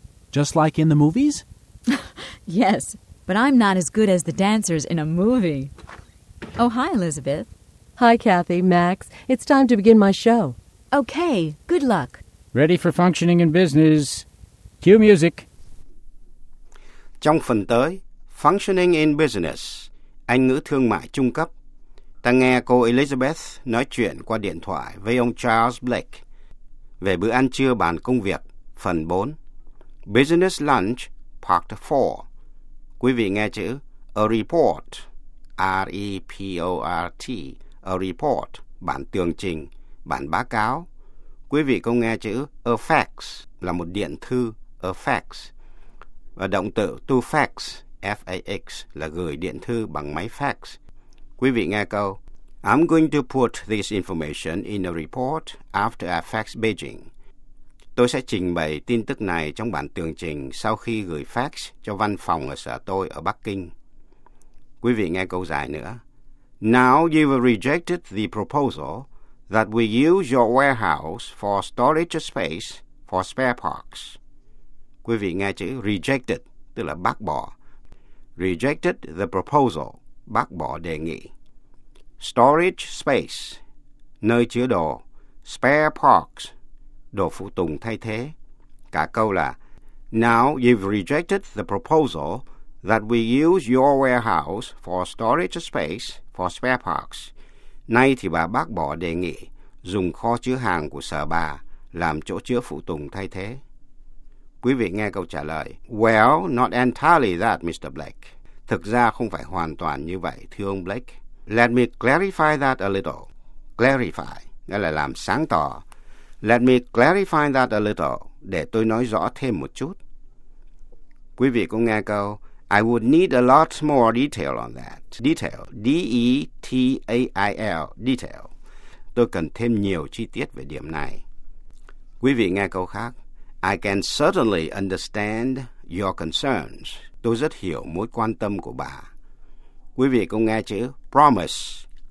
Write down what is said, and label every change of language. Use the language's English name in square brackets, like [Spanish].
[English] Just like in the movies? Yes, but I'm not as good as the dancers in a movie. Oh, hi, Elizabeth. Hi, Kathy, Max. It's time to begin my show. Okay, good luck. Ready for functioning in business. Cue music. [Vietnamese] Trong phần tới, Functioning in Business, Anh ngữ thương mại trung cấp, ta nghe cô Elizabeth nói chuyện qua điện thoại với ông Charles Blake về bữa ăn trưa bàn công việc, phần 4. Business Lunch, Part 4. Quý vị nghe chữ A Report, R-E-P-O-R-T, A Report, bản tường trình, bản báo cáo. Quý vị có nghe chữ A Fax, là một điện thư, A Fax, và động từ to fax, F-A-X, là gửi điện thư bằng máy fax. Quý vị nghe câu, [English] I'm going to put this information in a report after I fax Beijing. [Vietnamese] Tôi sẽ trình bày tin tức này trong bản tường trình sau khi gửi fax cho văn phòng ở sở tôi ở Bắc Kinh. Quý vị nghe câu dài nữa. [English] Now you've rejected the proposal that we use your warehouse for storage space for spare parts. [Vietnamese] Quý vị nghe chữ rejected, tức là bác bỏ. [English] Rejected the proposal, [Vietnamese] bác bỏ đề nghị. Storage space, nơi chứa đồ. Spare parts, đồ phụ tùng thay thế. Cả câu là, [English] Now you've rejected the proposal that we use your warehouse for storage space for spare parts. [Vietnamese] Nay thì bà bác bỏ đề nghị dùng kho chứa hàng của sở bà làm chỗ chứa phụ tùng thay thế. Quý vị nghe câu trả lời. [English] Well, not entirely that, Mr. Blake. [Vietnamese] Thực ra không phải hoàn toàn như vậy, thưa ông Blake. [English] Let me clarify that a little. [Vietnamese] Clarify, nghĩa là làm sáng tỏ. [English] Let me clarify that a little. [Vietnamese] Để tôi nói rõ thêm một chút. Quý vị cũng nghe câu. [English] I would need a lot more detail on that. Detail. D-E-T-A-I-L. Detail. [Vietnamese] Tôi cần thêm nhiều chi tiết về điểm này. Quý vị nghe câu khác. [English] I can certainly understand your concerns. [Vietnamese] Tôi rất hiểu mối quan tâm của bà. Quý vị cũng nghe chữ promise.